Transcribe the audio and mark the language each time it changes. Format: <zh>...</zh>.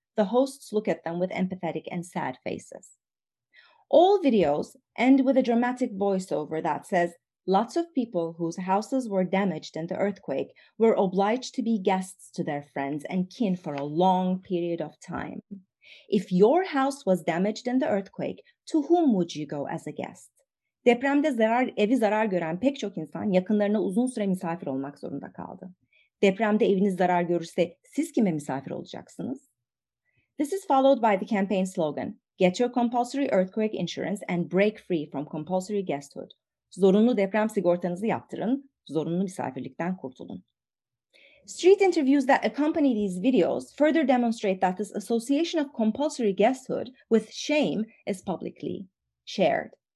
<en>The hosts look at them with empathetic and sad faces. All videos end with a dramatic voiceover that says, lots of people whose houses were damaged in the earthquake were obliged to be guests to their friends and kin for a long period of time. If your house was damaged in the earthquake, to whom would you go as a guest?</en> <tr>Depremde evi zarar gören pek çok insan yakınlarına uzun süre misafir olmak zorunda kaldı. Depremde eviniz zarar görürse siz kime misafir olacaksınız?</tr> <en>This is followed by the campaign slogan, get your compulsory earthquake insurance and break free from compulsory guesthood.</en> <tr>Zorunlu deprem sigortanızı yaptırın, zorunlu misafirlikten kurtulun.</tr> <en>Street interviews that accompany these videos further demonstrate that this association of compulsory guesthood with shame is publicly shared.</en>